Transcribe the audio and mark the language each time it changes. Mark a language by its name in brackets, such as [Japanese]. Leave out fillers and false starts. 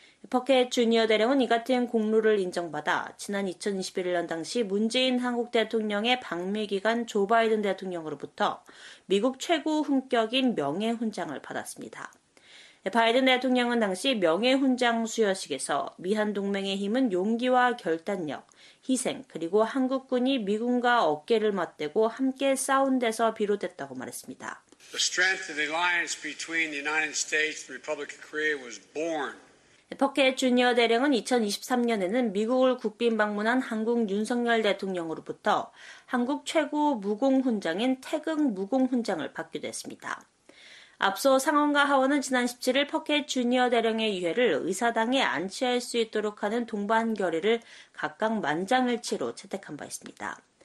[Korean] 퍼켓 주니어 대령은 이 같은 공로를 인정받아 지난 2021년 당시 문재인 한국 대통령의 방미기간 조 바이든 대통령으로부터 미국 최고 훈격인 명예훈장을 받았습니다. 바이든 대통령은 당시 명예훈장 수여식에서 미한동맹의 힘은 용기와 결단력, 희생, 그리고 한국군이 미군과 어깨를 맞대고 함께 싸운 데서 비롯됐다고 말했습니다. [English] The strength of the alliance between the United States and the Republic of Korea was born. [Korean] 퍼켓 주니어 대령은 2023년에는 미국을 국빈 방문한 한국 윤석열 대통령으로부터 한국 최고 무공훈장인 태극 무공훈장을 받기도 했습니다. 앞서 상원과 하원은 지난 17일 퍼켓 주니어 대령의 유해를 의사당에 안치할 수 있도록 하는 동반 결의를 각각 만장일치로 채택한 바 있습니다.